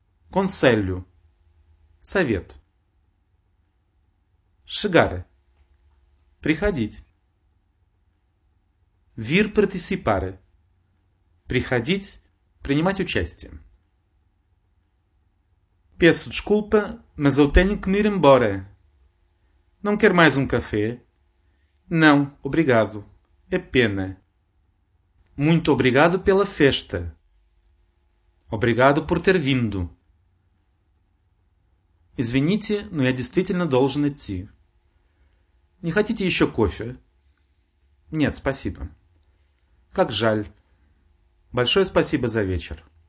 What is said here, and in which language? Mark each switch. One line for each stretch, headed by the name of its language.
Portuguese: Conselho.
Russian: Совет.
Portuguese: Chegar.
Russian: Приходить.
Portuguese: Vir participar.
Russian: Приходить, принимать участие.
Portuguese: Peço desculpa, mas eu tenho que me ir embora. Não quer mais café? Não, obrigado. É pena. Muito obrigado pela festa. Obrigado por ter vindo.
Russian: Извините, но я действительно должен идти. Не хотите еще кофе? Нет, спасибо. Как жаль. Большое спасибо за вечер.